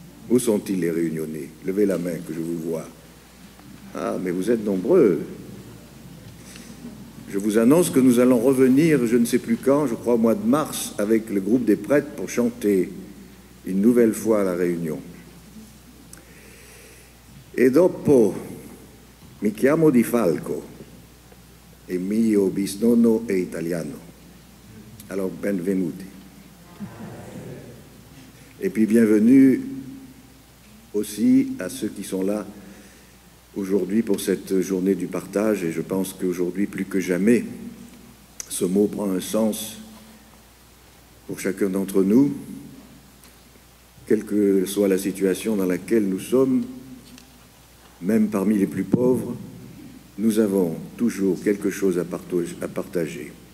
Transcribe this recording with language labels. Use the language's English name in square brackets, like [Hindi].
[French] Où sont-ils, les Réunionnais? Levez la main, que je vous vois. Ah, mais vous êtes nombreux. Je vous annonce que nous allons revenir, je ne sais plus quand, je crois au mois de mars, avec le groupe des prêtres pour chanter une nouvelle fois à la Réunion. [Italian] E dopo mi chiamo Di Falco e mio bisnonno è italiano. [French] Alors, [Italian] benvenuti. [French] Et puis, bienvenue aussi à ceux qui sont là aujourd'hui pour cette journée du partage, et je pense qu'aujourd'hui plus que jamais, ce mot prend un sens pour chacun d'entre nous, quelle que soit la situation dans laquelle nous sommes, même parmi les plus pauvres, nous avons toujours quelque chose à partager.